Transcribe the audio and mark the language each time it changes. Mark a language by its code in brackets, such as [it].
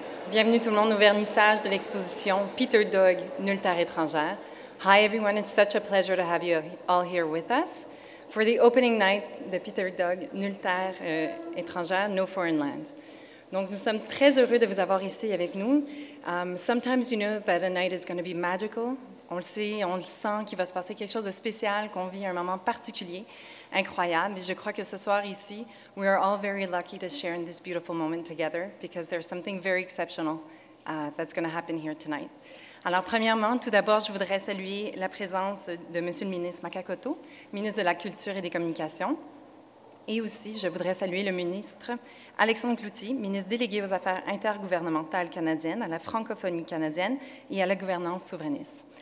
[fr] Bienvenue tout le monde au vernissage de l'exposition Peter Doig, Nulle Terre étrangère. [en] Hi, everyone. It's such a pleasure to have you all here with us for the opening night de Peter Doig, Nulle Terre étrangère, No Foreign Land. [fr] Donc, nous sommes très heureux de vous avoir ici avec nous. [en] Sometimes you know that a night is going to be magical. [fr] On le sait, on le sent qu'il va se passer quelque chose de spécial, qu'on vit un moment particulier, incroyable. Et je crois que ce soir ici, [en] we are all very lucky to share in this beautiful moment together because there's something very exceptional that's going to happen here tonight. [fr] Alors, premièrement, tout d'abord, je voudrais saluer la présence de Monsieur le ministre Makakoto, ministre de la Culture et des Communications. Et aussi, je voudrais saluer le ministre Alexandre Cloutier, ministre délégué aux Affaires intergouvernementales canadiennes, à la francophonie canadienne et à la gouvernance souverainiste.